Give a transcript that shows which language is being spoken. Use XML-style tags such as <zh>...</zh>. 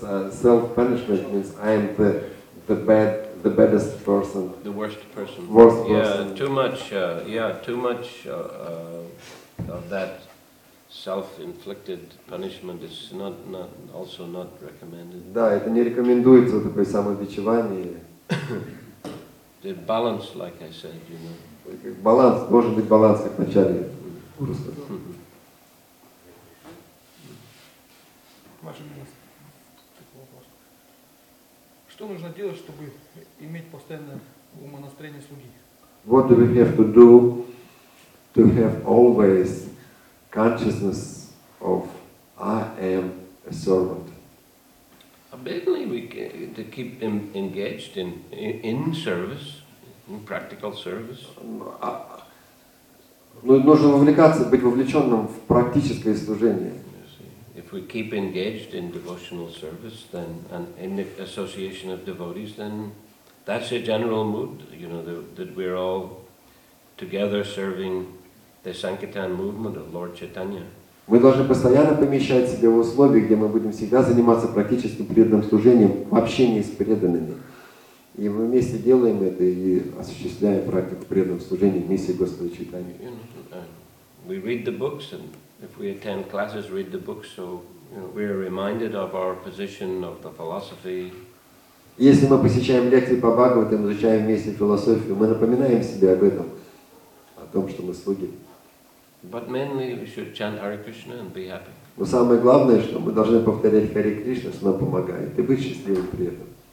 <en>Self-punishment means I am the baddest person. The worst person. Worst person. Yeah, too much. Of that self-inflicted punishment is not recommended.</en> <ru>Да, это не рекомендуется такое самобичевание.</ru> <en>The balance, like I said, you know.</en> <ru>Баланс, должен быть баланс, как в начале курса. Маша, такой вопрос. Что нужно делать, чтобы иметь постоянное умонастроение слуги?</ru> <en>What do we have to do to have always consciousness of I am a servant. Mainly we to keep him engaged in service, in practical service.</en> <ru>Ну, нужно вовлекаться, быть вовлеченным в практическое служение.</ru> <en>If we keep engaged in devotional service, then and in the association of devotees, then that's a general mood, you know, that we're all together serving the Sankirtan movement of Lord Chaitanya.</en> <ru>Мы должны постоянно помещать себя в условия, где мы будем всегда заниматься практическим преданным служением в общении с преданными. И мы вместе делаем это и осуществляем практику преданного служения в миссии Господа Чайтаньи.</ru> <en>You know, we read the books, and if we attend classes, read the books, so you know, we are reminded of our position, of the philosophy.</en> <ru>Если мы посещаем лекции по Бхагаватам, изучаем вместе философию, мы напоминаем себе об этом, о том, что мы слуги.</ru> <en>But mainly we should chant Hare Krishna and be happy.</en> <ru>Но самое главное, что мы должны повторять Hare Krishna, что нам помогает, и быть счастливым при этом.</ru>